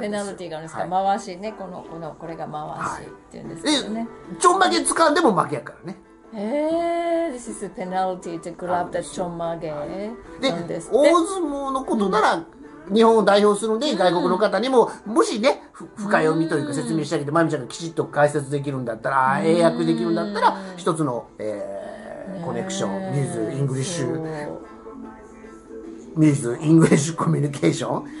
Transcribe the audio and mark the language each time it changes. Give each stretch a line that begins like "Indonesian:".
Japanese: です。なんかペナルティーがあるんですか、はい、回しね、この、これが回しっていうんですけどね。はい、ちょんまげ掴んでも負けやからね。
English: This is a penalty to grab the ちょんまげ。
Japanese: で、大相撲のことなら、うん、日本を代表するので、外国の方にも、うん、もしね、深読みというか説明してあげて、まみちゃんがきちっと解説できるんだったら、英訳できるんだったら、一つの、コネクション、ミズ、イングリッシュ、ミズ、イングリッシュコミュニケーション、